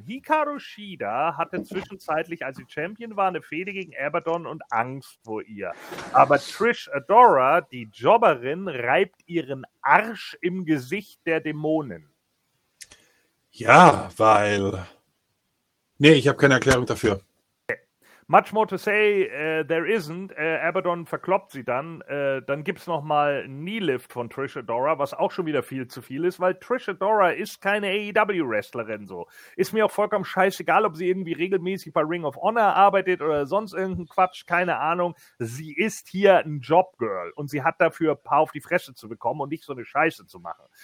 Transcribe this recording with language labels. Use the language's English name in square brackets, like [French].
[German] Hikaru Shida hatte zwischenzeitlich, als sie Champion war, eine Fehde gegen Abaddon und Angst vor ihr. Aber Trish Adora, die Jobberin, reibt ihren Arsch im Gesicht der Dämonen. Ja, weil... Nee, ich habe keine Erklärung dafür. [English] Much more to say, there isn't. [German] Abaddon verkloppt sie dann. Dann gibt's nochmal Knee-Lift von Trish Adora, was auch schon wieder viel zu viel ist, weil Trish Adora ist keine AEW-Wrestlerin so. Ist mir auch vollkommen scheißegal, ob sie irgendwie regelmäßig bei Ring of Honor arbeitet oder sonst irgendein Quatsch, keine Ahnung. Sie ist hier ein Jobgirl und sie hat dafür ein paar auf die Fresse zu bekommen und nicht so eine Scheiße zu machen.